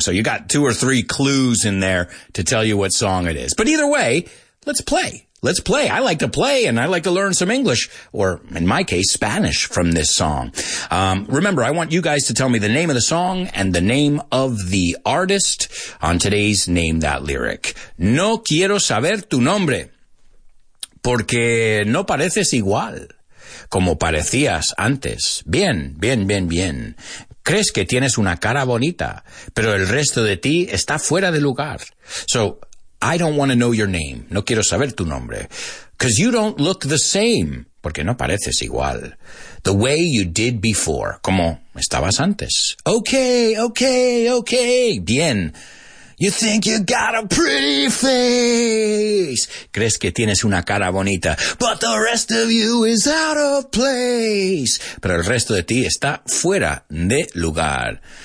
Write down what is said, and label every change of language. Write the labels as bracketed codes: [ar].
[en] So you got 2 or 3 clues in there to tell you what song it is. But either way, let's play. Let's play. I like to play and I like to learn some English, or in my case, Spanish from this song. Remember, I want you guys to tell me the name of the song and the name of the artist on today's Name That Lyric. [es] No quiero saber tu nombre porque no pareces igual como parecías antes. Bien, bien, bien, bien. Crees que tienes una cara bonita, pero el resto de ti está fuera de lugar. [en] So, I don't want to know your name. [es] No quiero saber tu nombre. [en] Because you don't look the same. [es] Porque no pareces igual. [en] The way you did before. [es] Como estabas antes. Okay, okay, okay. Bien. [en] You think you got a pretty face. [es] Crees que tienes una cara bonita. [en] But the rest of you is out of place. [es] Pero el resto de ti está fuera de lugar.